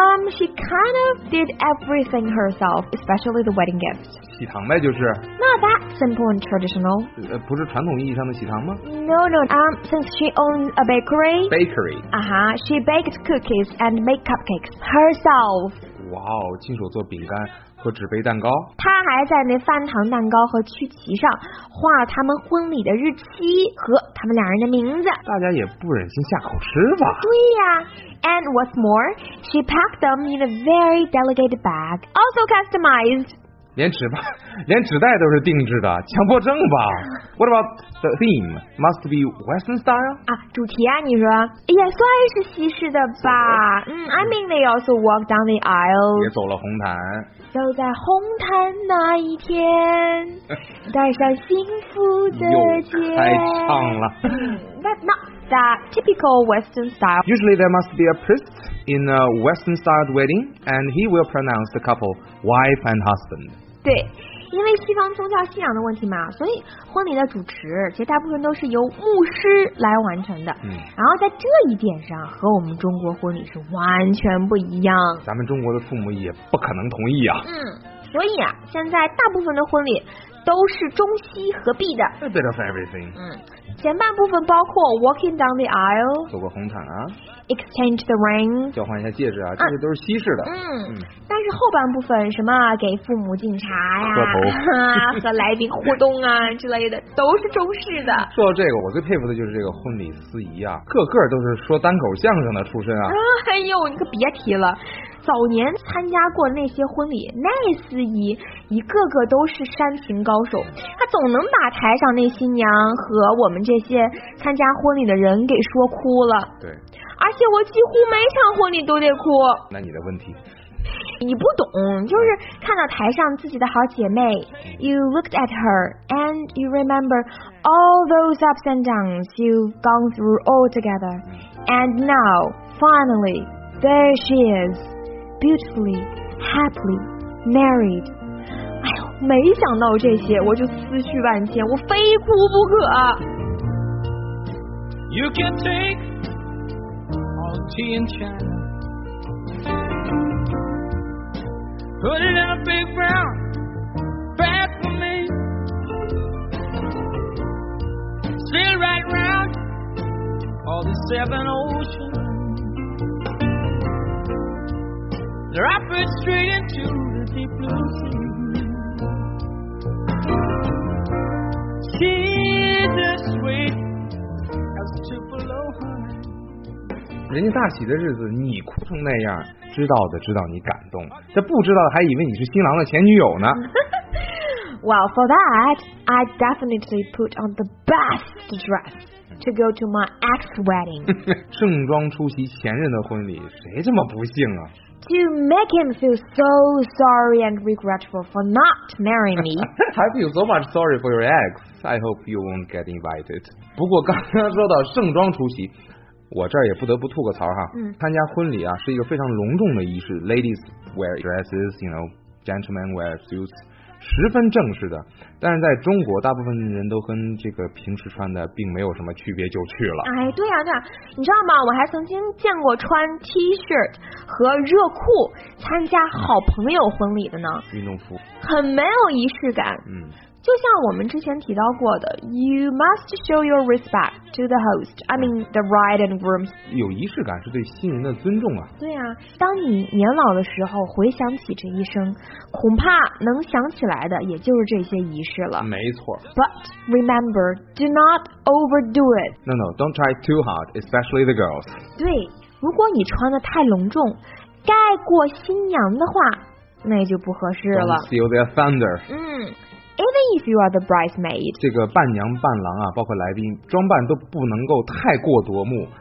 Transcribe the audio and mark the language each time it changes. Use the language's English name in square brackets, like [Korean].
[English] She kind of did everything herself, especially the wedding gifts. [Chinese] 喜糖呗，就是 [English] Not that simple and traditional. [Chinese] 不是传统意义上的喜糖吗？ [English] No. Since she owns a bakery. Bakery. Uh-huh. She baked cookies and made cupcakes herself. [Chinese] 哇哦，亲手做饼干和纸杯蛋糕。他还在那饭堂蛋糕和曲奇上画了他们婚礼的日期和他们两人的名字。大家也不忍心下口吃吧。对呀。 [English] And what's more, she packed them in a very delicate bag, also customized. [Chinese] 连纸袋都是定制的，强迫症吧。 [English] What about the theme? Must be western style? [Chinese] 啊，主题啊，你说也算是西式的吧。 [English] 嗯， I mean they also walk down the aisle. [Chinese] 也走了红毯。就在红毯那一天，带上幸福的结。又开唱了。 [English] But not that typical Western style. Usually there must be a priest in a Western style wedding, and he will pronounce the couple wife and husband. [Chinese] 对，因为西方宗教信仰的问题嘛，所以婚礼的主持其实大部分都是由牧师来完成的。嗯，然后在这一点上和我们中国婚礼是完全不一样。咱们中国的父母也不可能同意啊。嗯，所以啊，现在大部分的婚礼都是中西合璧的。 [English] A bit of everything。 [Chinese] 嗯，前半部分包括 [English] walking down the aisle， [Chinese] 走过红毯啊 [English] ，exchange the ring， [Chinese] 交换一下戒指啊，这些都是西式的。嗯，但是后半部分什么给父母敬茶呀，磕头和来宾互动啊之类的，都是中式的。说到这个，我最佩服的就是这个婚礼司仪啊，个个都是说单口相声的出身啊。哎呦，你可别提了。早年参加过那些婚礼，那司仪一个个都是煽情高手，他总能把台上那新娘和我们这些参加婚礼的人给说哭了。对，而且我几乎每场婚礼都得哭。那你的问题，你不懂，就是看到台上自己的好姐妹， [English] You looked at her and you remember all those ups and downs you've gone through all together, and now finally there she isBeautifully, happily, married. [Chinese] 哎呦，没想到这些，我就思绪万千，我非哭不可。 [English] You can take tea and chat. Put it in a big brown bag for me. Sail right round all the seven oceans. Drop it straight into the deep blue sea. She's as sweet as Tupelo honey. [Chinese] 人家大喜的日子你哭成那样，知道的知道你感动，这不知道的还以为你是新郎的前女友呢。 [English] Well, for that, I definitely put on the best dress to go to my ex wedding. [Chinese] 盛装出席前任的婚礼，谁这么不幸啊？ [English] To make him feel so sorry and regretful for not marrying me. I feel so much sorry for your ex. I hope you won't get invited. [Chinese] 不过刚刚说到盛装出席，我这儿也不得不吐个槽哈。嗯，参加婚礼啊是一个非常隆重的仪式。 [English] Ladies wear dresses, you know, gentlemen wear suits. [Chinese] 十分正式的。但是在中国大部分人都跟这个平时穿的并没有什么区别就去了。哎，对啊，对啊，你知道吗，我还曾经见过穿 T-shirt 和热裤参加好朋友婚礼的呢。运动服。很没有仪式感。嗯。就像我们之前提到过的 [English] You must show your respect to the host, I mean the bride and groom. [Chinese] 有仪式感是对新人的尊重啊。对啊，当你年老的时候回想起这一生，恐怕能想起来的也就是这些仪式了。没错。 [English] But remember, do not overdo it. No, no, don't try too hard, especially the girls. [Chinese] 对，如果你穿得太隆重盖过新娘的话，那就不合适了。 [English] Don't steal their thunder. 嗯，Even if you are the bridesmaid, [Chinese] 这个伴娘伴郎啊，包括来宾，装扮都不能够太过夺目。